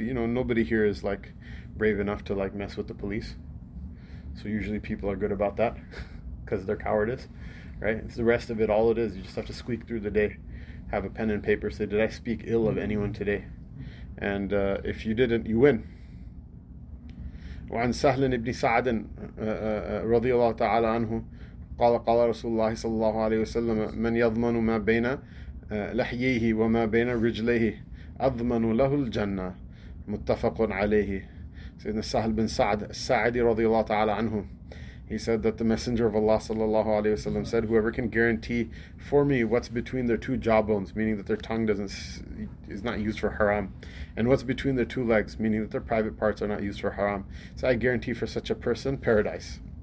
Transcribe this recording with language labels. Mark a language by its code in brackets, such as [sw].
[en] You know, nobody here is like brave enough to like mess with the police, so usually people are good about that because they're cowardice, right? It's the rest of it, all it is, you just have to squeak through the day, have a pen and paper, say, did I speak ill of anyone today? And if you didn't, you win. [ar] وعن سهل بن سعد رضي الله تعالى عنه قال قال رسول الله صلى الله عليه وسلم من يضمن ما بين لحييه وما بين رجليه أضمن له الجنة. متفق عليه. [en] سيدنا سهل بن سعد السعدي رضي الله تعالى عنه, he said that the Messenger of Allah صلى الله عليه وسلم said, whoever can guarantee for me what's between their two jawbones, meaning that their tongue is not used for haram, and what's between their two legs, meaning that their private parts are not used for haram, so I guarantee for such a person paradise.